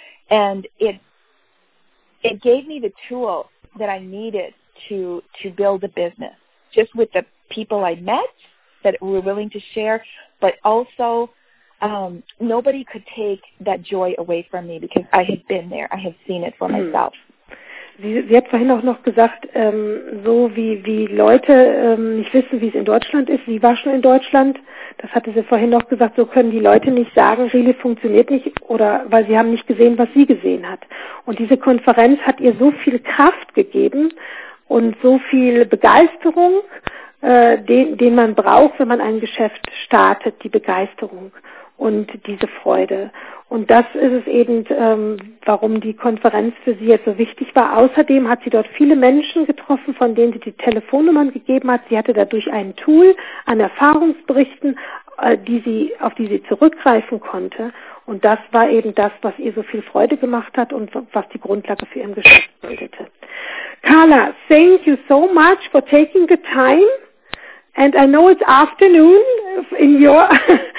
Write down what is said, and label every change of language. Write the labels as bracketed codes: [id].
[en] And it gave me the tool that I needed to build a business, just with the people I met that were willing to share, but also nobody could take that joy away from me because I had been there. I had seen it for myself. [de] Sie hat vorhin auch noch gesagt, so wie Leute nicht wissen, wie es in Deutschland ist. Sie war schon in Deutschland. Das hatte sie vorhin noch gesagt. So können die Leute nicht sagen, Relief funktioniert nicht oder weil sie haben nicht gesehen, was sie gesehen hat. Und diese Konferenz hat ihr so viel Kraft gegeben und so viel Begeisterung, den man braucht, wenn man ein Geschäft startet, die Begeisterung und diese Freude. Und das ist es eben, warum die Konferenz für sie jetzt so wichtig war. Außerdem hat sie dort viele Menschen getroffen, von denen sie die Telefonnummern gegeben hat. Sie hatte dadurch ein Tool an Erfahrungsberichten, auf die sie zurückgreifen konnte. Und das war eben das, was ihr so viel Freude gemacht hat und was die Grundlage für ihr Geschäft bildete. [en] Carla, thank you so much for taking the time. And I know it's afternoon in your area,